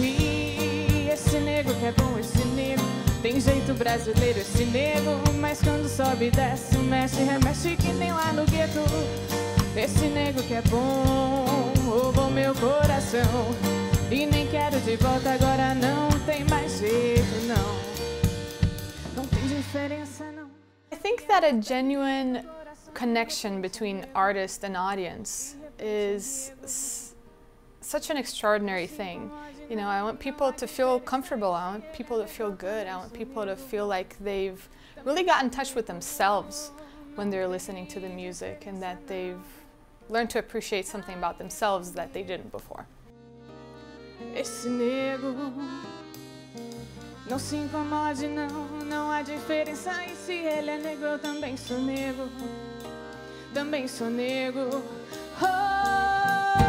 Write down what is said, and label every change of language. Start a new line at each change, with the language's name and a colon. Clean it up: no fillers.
Portuguese: E esse negro que é bom, esse negro tem jeito brasileiro, esse negro. Mas quando sobe, desce, mexe, remexe que nem lá no gueto. Esse negro que é bom, roubou meu coração. E nem quero de volta agora, não tem mais jeito, não. Não tem diferença, não.
English: I think that a genuine connection between artist and audience is such an extraordinary thing. You know, I want people to feel comfortable. I want people to feel good. I want people to feel like they've really got in touch with themselves when they're listening to the music, and that they've learned to appreciate something about themselves that they didn't before.
Portuguese: Esse negro não se incomode, não. Não há diferença. E se ele é negro, eu também sou negro. Também sou negro. Oh.